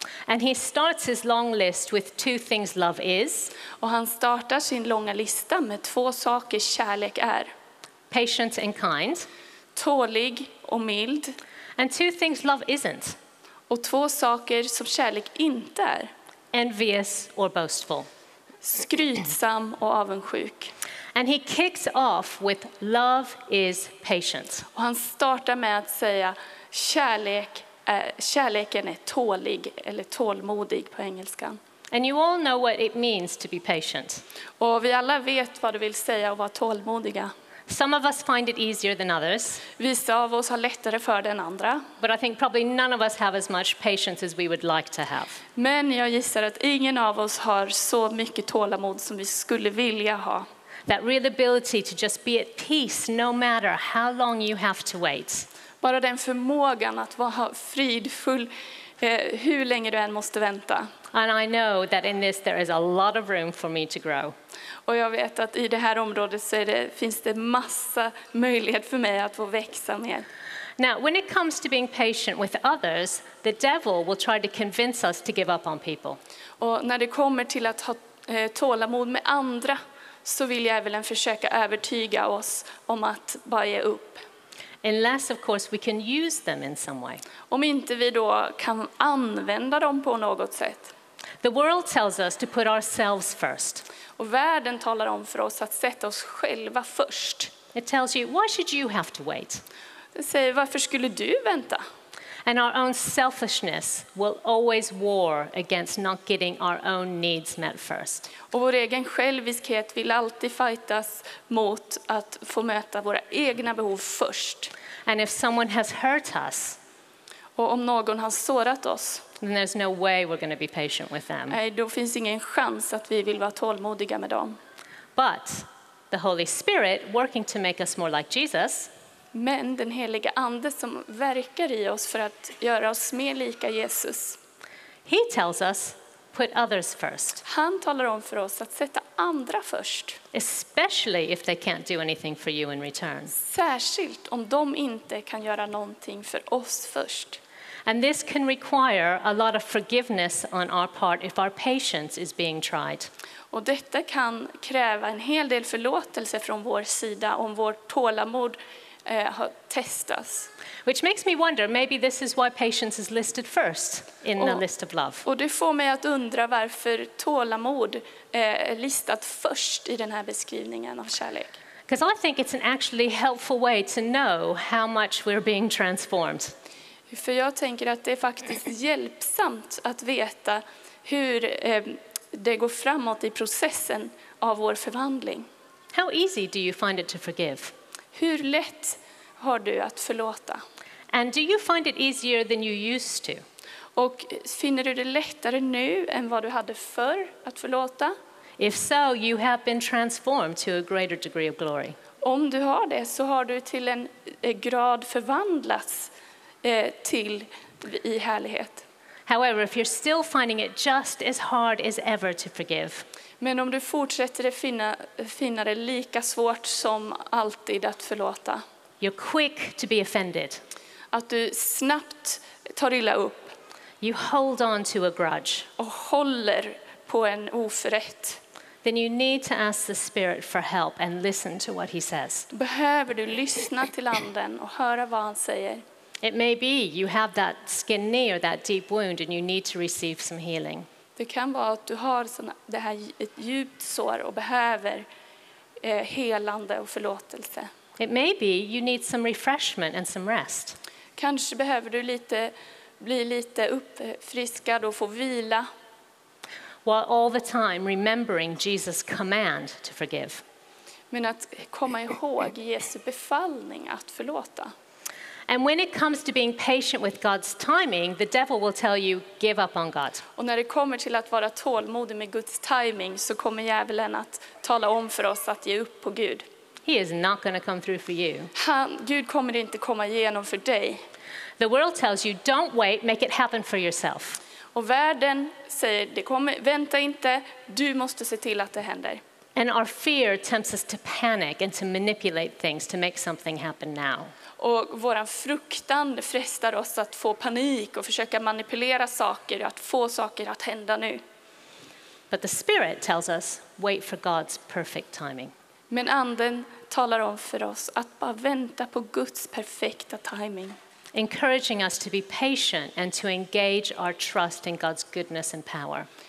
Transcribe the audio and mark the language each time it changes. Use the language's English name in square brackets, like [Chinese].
[English] And he starts his long list with two things love is. [Swedish] Och han startar sin långa lista med två saker kärlek är. [English] Patient and kind. [Swedish] Tålig och mild. [English] And two things love isn't. [Swedish] Och två saker som kärlek inte är. [English] Envious or boastful. [Swedish] Skrytsam och avundsjuk. [English] And he kicks off with love is patient. [Swedish] Och han startar med att säga kärleken är tålig eller tålmodig på engelska. [English] And you all know what it means to be patient. [Swedish] Och vi alla vet vad det vill säga att vara tålmodiga. [English] Some of us find it easier than others. [Swedish] Vissa av oss har lättare för det än andra. [English] But I think probably none of us have as much patience as we would like to have. [Swedish] Men jag gissar att ingen av oss har så mycket tålamod som vi skulle vilja ha. [English] That real ability to just be at peace no matter how long you have to wait. [Swedish] Bara den förmågan att vara fridfull hur länge du än måste vänta. [English] And I know that in this there is a lot of room for me to grow. [Swedish] Och jag vet att i det här området så finns det massa möjlighet för mig att få växa mer. [English] Now, when it comes to being patient with others, the devil will try to convince us to give up on people. [Swedish] Och när det kommer till att ha tålamod med andra så vill djävulen försöka övertyga oss om att bara ge upp. [English] Unless, of course, we can use them in some way. [Swedish] Om inte vi då kan använda dem på något sätt. [English] The world tells us to put ourselves first. [Swedish] Och världen talar om för oss att sätta oss själva först. [English] It tells you, why should you have to wait? [Swedish] Det säger, varför skulle du vänta? [English] And our own selfishness will always war against not getting our own needs met first. [Swedish] Och vår egen själviskhet vill alltid fightas mot att få möta våra egna behov först. [English] And if someone has hurt us, [Swedish] och om någon har sårat oss, [English] then there's no way we're going to be patient with them. [Swedish] Nej, då finns ingen chans att vi vill vara tålmodiga med dem. [English] But the Holy Spirit working to make us more like Jesus. [Swedish] Men den helige ande som verkar i oss för att göra oss mer lika Jesus. [English] He tells us put others first. [Swedish] Han talar om för oss att sätta andra först. [English] Especially if they can't do anything for you in return. [Swedish] Särskilt om de inte kan göra någonting för oss först. [English] And this can require a lot of forgiveness on our part if our patience is being tried. [Swedish] Och detta kan kräva en hel del förlåtelse från vår sida om vår tålamod har testats. [English] Which makes me wonder, maybe this is why patience is listed first in the list of love. [Swedish] Och det får mig att undra varför tålamod är listat först i den här beskrivningen av kärlek. [English] Because I think it's an actually helpful way to know how much we're being transformed. [Swedish] För jag tänker att det är faktiskt hjälpsamt att veta hur det går framåt i processen av vår förvandling. [English] How easy do you find it to forgive? [Swedish] Hur lätt har du att förlåta? [English] And do you find it easier than you used to? [Swedish] Och finner du det lättare nu än vad du hade förr att förlåta? [English] If so, you have been transformed to a greater degree of glory. [Swedish] Om du har det, så har du till en grad förvandlats till I härlighet. [English] However, if you're still finding it just as hard as ever to forgive. [Swedish] Men om du fortsätter att finna det lika svårt som alltid att förlåta. [English] You're quick to be offended. [Swedish] Att du snabbt tar illa upp. [English] You hold on to a grudge. [Swedish] Och håller på en oförrätt. [English] Then you need to ask the Spirit for help and listen to what he says. [Swedish] Behöver du lyssna till anden och höra vad han säger? [English] It may be you have that skin knee or that deep wound and you need to receive some healing. [Swedish] Det kan vara att du har det här ett djupt sår och behöver helande och förlåtelse. [English] It may be you need some refreshment and some rest. [Swedish] Kanske behöver du lite bli lite uppfriskad och få vila. [English] While all the time remembering Jesus' command to forgive. [Swedish] Men att komma ihåg Jesu befallning att förlåta. [English] And when it comes to being patient with God's timing, the devil will tell you, give up on God. [Swedish] Och när det kommer till att vara tålmodig med Guds timing, så kommer djävulen att tala om för oss att ge upp på Gud. [English] He is not going to come through for you. [Swedish] Gud kommer inte komma igenom för dig. [English] The world tells you, don't wait, make it happen for yourself. [Swedish] Och världen säger, det kommer, vänta inte, du måste se till att det händer. [English] And our fear tempts us to panic and to manipulate things to make something happen now. [Swedish] Och våran fruktan frestar oss att få panik och försöka manipulera saker och att få saker att hända nu. [English] But the Spirit tells us, wait for God's perfect timing. [Swedish] Men anden talar om för oss att bara vänta på Guds perfekta timing. [English] Encouraging us to be patient and to engage our trust in God's goodness and power.